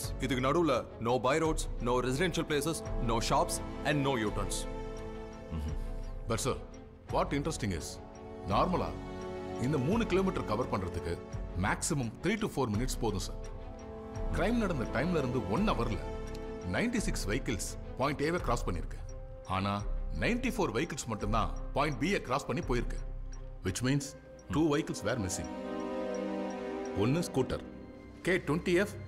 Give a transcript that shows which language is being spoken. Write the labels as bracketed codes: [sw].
[en] Idhu nadula no by roads, no residential places, no shops and no U-turns. But sir, what interesting is normally in the 3 km cover pandrathukku maximum 3 to 4 minutes podum sir. [ta] Crime nadandha time la irundhu 1 hour la 96 vehicles point A-வை cross பண்ணிருக்கு. ஆனா 94 vehicles மட்டும்தான் point B-ய cross பண்ணி போயிருக்கு. [en] Which means 2 vehicles were missing. One scooter K20F